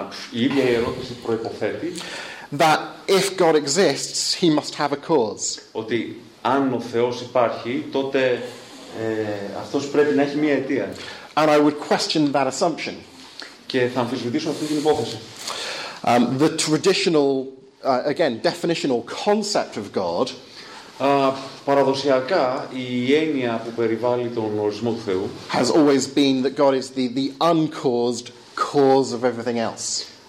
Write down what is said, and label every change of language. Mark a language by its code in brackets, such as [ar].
[el] η ίδια η ερώτηση προϋποθέτει [en] that if God exists, he must have a cause. [el] Ότι αν ο Θεός υπάρχει, τότε αυτός πρέπει να έχει μία αιτία. [en] And I would question that assumption. [el] Και θα αμφισβητήσω αυτή την υπόθεση. [en] The traditional, again, definitional concept of God. [el] Παραδοσιακά, η έννοια που περιβάλλει τον ορισμό του Θεού [en] has always been that God is the uncaused cause of everything else.